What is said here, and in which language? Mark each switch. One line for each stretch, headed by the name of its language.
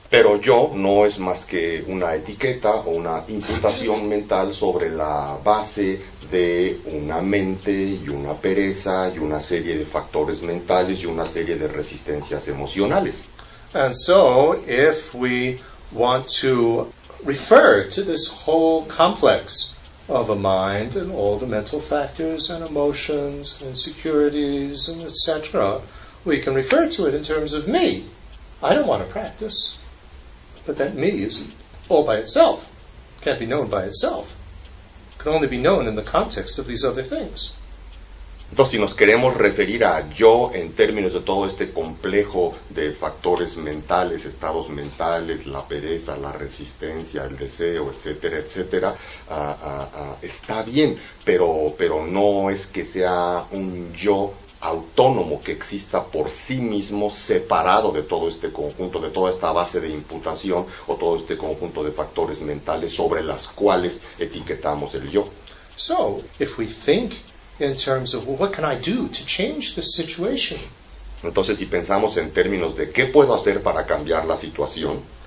Spanish: Pero yo no es más que una etiqueta o una imputación mental sobre la base de una mente y una pereza y una serie de factores mentales y una serie de resistencias emocionales.
English: And so, if we want to refer to this whole complex of a mind and all the mental factors and emotions and insecurities and etc., we can refer to it in terms of me. I don't want to practice. But that me isn't all by itself. can't be known by itself. It can only be known in the context of these other things.
Spanish: Entonces, si nos queremos referir a yo en términos de todo este complejo de factores mentales, estados mentales, la pereza, la resistencia, el deseo, etcétera, etcétera, está bien, pero no es que sea un yo autónomo que exista por sí mismo separado de todo este conjunto, de toda esta base de imputación o todo este conjunto de factores mentales sobre las cuales etiquetamos el yo.
English: So, if we think in terms of, well, what can I do to change this situation?
Spanish: Entonces, si pensamos en términos de qué puedo hacer para cambiar la situación,